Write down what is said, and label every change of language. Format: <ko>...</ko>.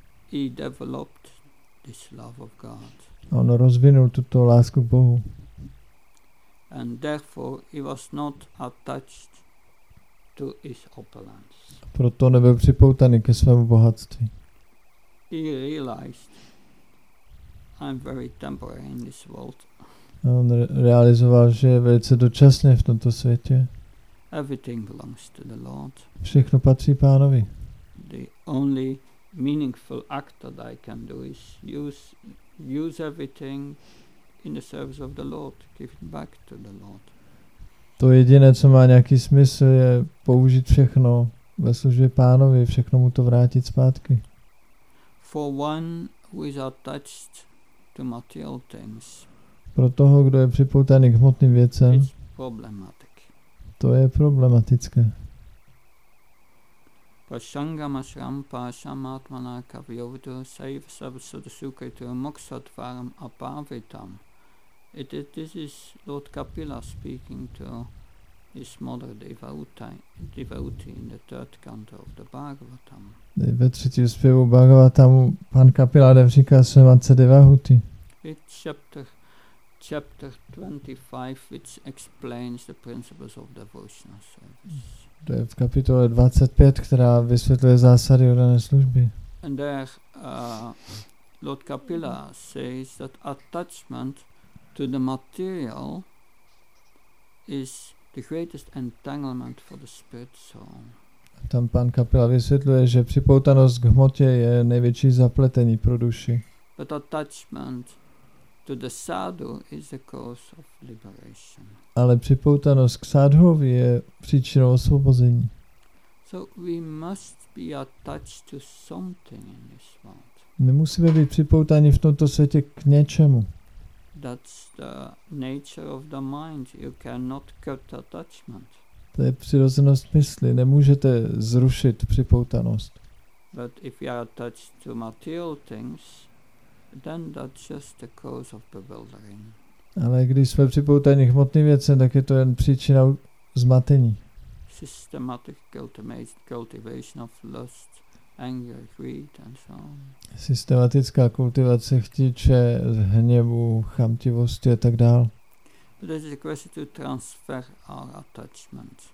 <en>He developed this love of God.</en> <cs>On rozvinul tuto lásku k Bohu.</cs> <en>And therefore he was not attached to his opulence.</en> <cs>Proto nebyl připoutaný ke svému bohatství.</cs> <en>He realized I'm very temporary in this world.</en> <cs>On realizoval, že je velice dočasně v tomto světě.</cs> <en>Everything belongs to the Lord.</en> <cs>Všechno patří Pánovi.</cs> <en>The only meaningful act that I can do is use use everything in the service of the Lord, give it back to the Lord.</en> <cs>To jediné, co má nějaký smysl, je použít všechno ve službě Pánovi, všechno mu to vrátit zpátky.</cs> <en>For one who is attached to material things.</en> <cs>Pro toho, kdo je připoutaný k hmotným věcem,</cs> <en>it's problematic.</en> <cs>To je problematické.</cs> <sa>Prasangam asrampa samatmana kavyovdu saiva sabasada sukaitu moksatvaram apavitam.</sa> <en>This is Lord Kapila speaking to his mother devotee in the third canto of the Bhagavatam.</en> <cs>Ve třetím zpěvu Bhagavatamu pan Kapila dev říká své matce Devahuti.</cs> <en>It's chapter 25 which explains the principles of devotional service.</en> <cs>To je v kapitole 25, která vysvětluje zásady oddané služby.</cs> <en>And there Lord Kapila says that attachment to the material is the greatest entanglement for the spirit soul.</en> <cs>Tam pan Kapila vysvětluje, že připoutanost k hmotě je největší zapletení pro duši.</cs> <en>But attachment to the sadhu is the cause of liberation.</en> <cs>Ale připoutanost k sadhovi je příčinou osvobození.</cs> <en>So we must be attached to something in this world.</en> <cs>My musíme být připoutáni v tomto světě k něčemu.</cs> <en>That's the nature of the mind. You cannot cut attachment.</en> <cs>To je přirozenost mysli. Nemůžete zrušit připoutanost.</cs> <en>But if you are attached to material things, then that's just the cause of bewildering.</en> <cs>Ale když jsme připoutáni k hmotným věcem, tak je to jen příčina zmatení.</cs> <en>Systematic cultivation of lust, anger, greed and so on.</en> <cs>Systematická kultivace chtíče, hněvu, chamtivosti a tak dál.</cs> <en>But this is a question to transfer our attachment.</en>